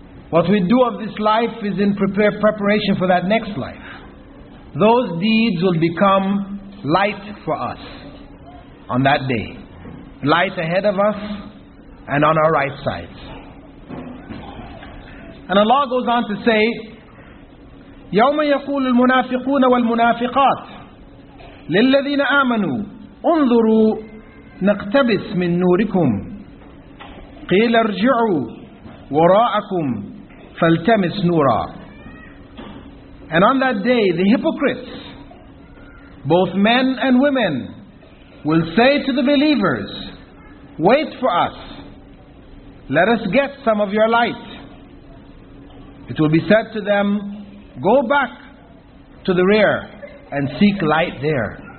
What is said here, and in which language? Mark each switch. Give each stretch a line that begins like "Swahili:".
English: What we do of this life is in preparation for that next life. Those deeds will become light for us on that day. Light ahead of us and on our right sides. And Allah goes on to say,
Arabic: يَوْمَ يَقُولُ الْمُنَافِقُونَ وَالْمُنَافِقَاتِ لِلَّذِينَ آمَنُوا أُنظُرُوا نَقْتَبِسْ مِن نُورِكُمْ قِيلَ ارْجِعُوا وَرَاءَكُمْ فَالْتَمِسْ نُورًا.
English: And on that day, the hypocrites, both men and women, will say to the believers, wait for us, let us get some of your light. It will be said to them, go back to the rear and seek light there.